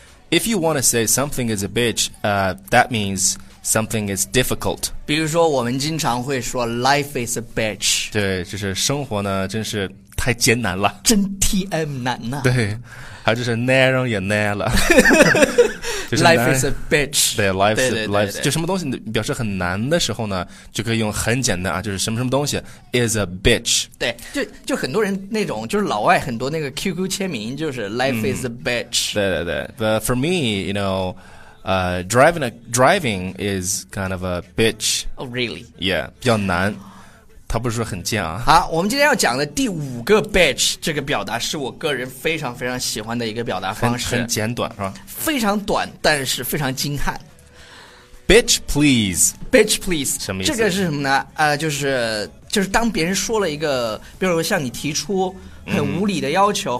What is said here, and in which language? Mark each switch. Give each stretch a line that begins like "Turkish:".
English: If you want to say something is a bitch, that means something is difficult.
Chinese: 比如说我们经常会说
English: life is a bitch.
Chinese: 对，就是生活呢真是太艰难了，真 TM 难呐，啊。对，还就是男人也难了。就是
English: life is a bitch. 对， life is a bitch.
Chinese: 就什么东西表示很难的时候呢，就可以用很简单啊，就是什么什么东西
English: is a bitch.
Chinese: 对，就很多人那种，就是老外很多那个 QQ 签名就是
English: life is a bitch.
Chinese: 对对对。
English: But for me, you know,driving is kind of a bitch. Oh, really?
Chinese: Yeah, 比较难。他不是说很贱啊。好，我们今天要讲的第五个 bitch 这个表达是我个人非常非常喜欢的一个表达方式。很简短是吧？非常短，但是非常精悍。
English: Bitch please. Bitch please.
Chinese: 什么意思？这个是什么呢？就是当别人说了一个，比如说向你提出很无理的要求，